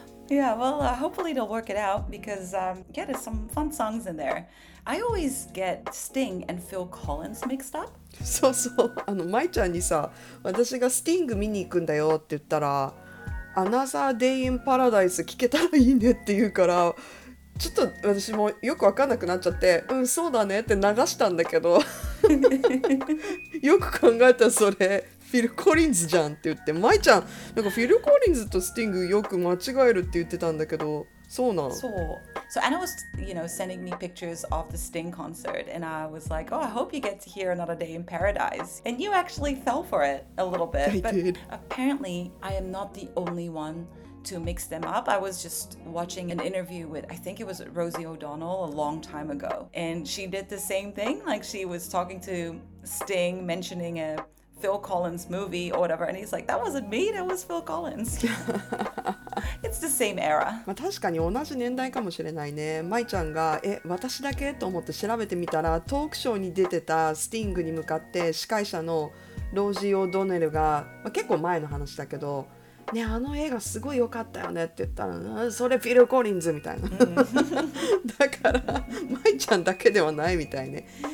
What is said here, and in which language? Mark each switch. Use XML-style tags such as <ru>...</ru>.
<en>Yeah, well, hopefully it'll work it out because, yeah, there's some fun songs in there. I always get Sting and Phil Collins mixed up.</en> <ja>そうそう、あの、まいちゃんにさ、私がスティング見に行くんだよって言ったら、Another Day in Paradise 聞けたらいいねって言うから、ちょっと私もよく分かんなくなっちゃって、うん、そうだねって流したんだけど、よく考えたそれ。フィル・コリンズじゃんって言って、マイちゃん、なんかフィル・コリンズとスティングよく間違えるって言ってたんだけど、そうなん？そう。</ja> <en>So Anna was, you know, sending me pictures of the Sting concert, and I was like, oh, I hope you get to hear Another Day in Paradise. And you actually fell for it a little bit. I but did. Apparently, I am not the only one to mix them up. I was just watching an interview with, I think it was Rosie O'Donnell a long time ago, and she did the same thing. Like, she was talking to Sting, mentioning aPhil Collins movie or whatever, and he's like, "That wasn't me. That was Phil Collins." It's the same era.</en> <ja>まあ確かに同じ年代かもしれないね。マイちゃんが、え、私だけと思って調べてみたら、トークショーに出てたスティングに向かって司会者のロージー・オドネルが、まあ、結構前の話だけど、ね、あの映画すごい良かったよねって言ったら、それフィル・コリンズみたいな。だからマイちゃんだけではないみたいね。</ja>